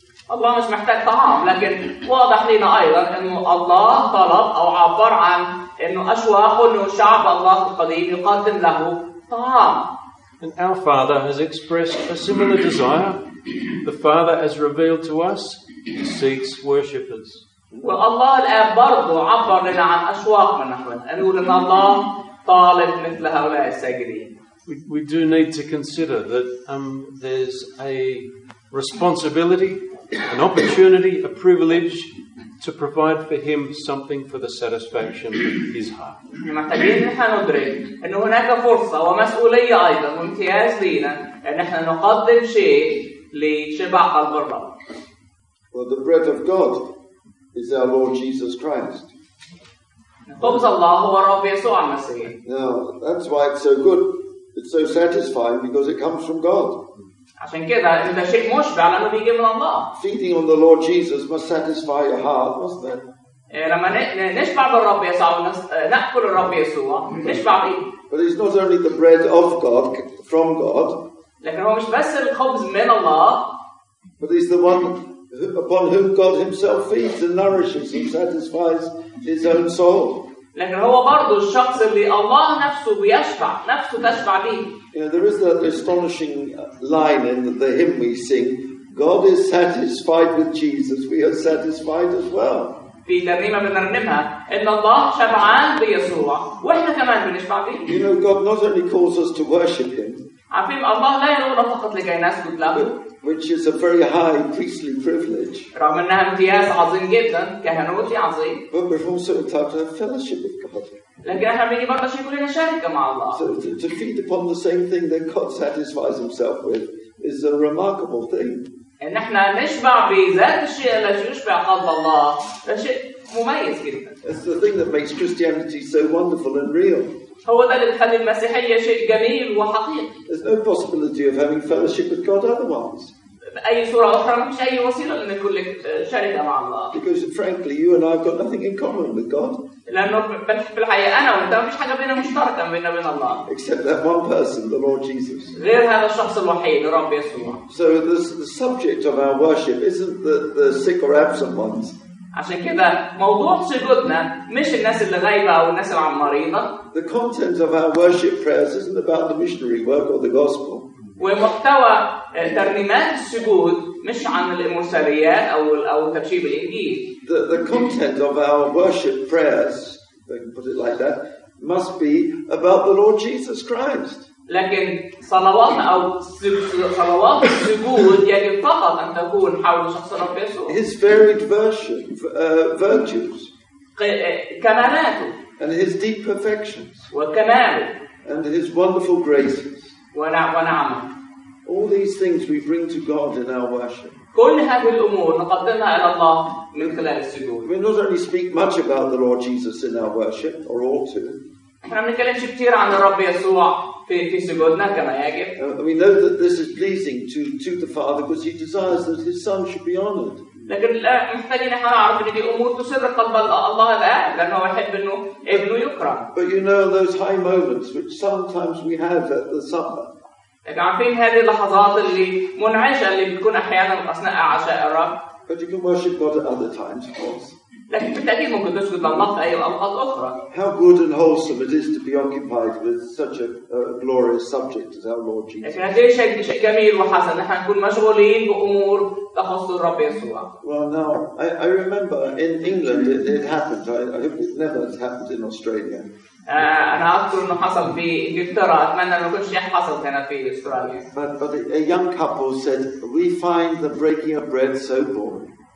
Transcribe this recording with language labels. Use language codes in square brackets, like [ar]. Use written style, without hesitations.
[ar] الله مش محتاج طعام لكن واضح لنا ايضا ان الله طلب او عبر عن انه اشواقه انه شعب الله القديم يقدم له طعام. [en] And our Father has expressed a similar desire. The Father, as revealed to us, seeks worshippers. [ar] والله الآب برضو عبر لنا عن أشواق من نحن. أنه لنا الله طالب مثل هؤلاء الساجدين. [en] We do need to consider that there's a responsibility, an opportunity, a privilege to provide for him something for the satisfaction of his heart. [ar] محتاجين نحن ندرك أن هناك فرصة ومسؤولية أيضا وامتياز لنا أن نحن نقدم شيء لشبع قلب الرب. [en] Well, the bread of God is our Lord Jesus Christ. [ar] خبز الله هو الرب يسوع المسيح. [en] Now, that's why it's so good. It's so satisfying because it comes from God. [ar] عشان كده ده شيء مشبع لأنه بيجي من الله. [en] Feeding on the Lord Jesus must satisfy your heart, mustn't it? [ar] لما نشبع بالرب يسوع نأكل الرب يسوع نشبع فيه. [en] But it's not only the bread of God, from God. [ar] لكن هو مش بس الخبز من الله. [en] But he's the one upon whom God himself feeds and nourishes and satisfies his own soul. [ar] لكن هو برضو الشخص اللي الله نفسه بيشبع نفسه تشبع بيه. [en] You know, there is that astonishing line in the hymn we sing, God is satisfied with Jesus, we are satisfied as well. [ar] في ترنيمة بنرنمها إن الله شبعان بيسوع وإحنا كمان بنشبع بيه. [en] You know, God not only calls us to worship him, [ar] عفيم الله لا يقول فقط لكي نسجد له. [en] Which is a very high priestly privilege. [ar] رغم أنها امتياز عظيم جدا كهنوتي عظيم. [en] But we're also entitled to have fellowship with God. [ar] لكن احنا بنيجي برضه شيء كلنا شركة مع الله. [en] So to feed upon the same thing that God satisfies himself with is a remarkable thing. [ar] إن احنا نشبع بذات الشيء الذي يشبع قلب الله ده شيء مميز جدا. [en] It's the thing that makes Christianity so wonderful and real. [ar] هو ده اللي بيخلي المسيحية شيء جميل وحقيقي. [en] There's no possibility of having fellowship with God otherwise. [ar] بأي صورة أخرى مش أي وسيلة لأن كل شركة مع الله. [en] Because frankly, you and I have got nothing in common with God. [ar] لأنه في الحقيقة أنا وأنت ما فيش حاجة بينا مشتركة بيننا وبين الله. [en] Except that one person, the Lord Jesus. [ar] غير هذا الشخص الوحيد الرب يسوع. [en] So the subject of our worship isn't the sick or absent ones. [ar] عشان كده موضوع سجودنا مش الناس اللي غايبة أو الناس العمارينة. [en] The content of our worship prayers isn't about the missionary work or the gospel. [ar] ومحتوى ترنيمات السجود مش عن الإرساليات أو ترشيب الإنجيل. [en] The content of our worship prayers, if I can put it like that, must be about the Lord Jesus Christ. [ar] لكن صلوات أو صلوات السجود يجب فقط أن تكون حول شخص الرب يسوع. [en] His varied version, virtues. [ar] كمالاته. [en] And his deep perfections. [ar] وكماله. [en] And his wonderful graces. [ar] ونعمه. [en] All these things we bring to God in our worship. [ar] كل هذه الأمور نقدمها إلى الله من خلال السجود. [en] We don't really speak much about the Lord Jesus in our worship, or ought to. [ar] إحنا منتكلمش كتير عن الرب يسوع في سجودنا كما يجب. [en] We know that this is pleasing to the Father because He desires that His Son should be honored. [ar] لكن محتاجين إحنا نعرف إن دي أمور تسر قلب الله الآب لأنه يحب إنه ابنه يكرم. [en] But you know those high moments which sometimes we have at the supper. [ar] عارفين هذه اللحظات اللي منعشة اللي بتكون أحيانا أثناء عشاء الرب. [en] But you can worship God at other times, of course. [ar] لكن بالتأكيد ممكن تسجد لله في أي أوقات أخرى. [en] How good and wholesome it is to be occupied with such a glorious subject as our Lord Jesus. [ar] لكن هذا شيء جميل وحسن نحن نكون مشغولين بأمور تخص الرب يسوع. [en] Well, now I remember in England it happened. I hope it never has happened in Australia. [ar] أنا أذكر إنه حصل في إنجلترا أتمنى إنه كل شيء حصل هنا في أستراليا. [en] But a young couple said we find the breaking of bread so boring.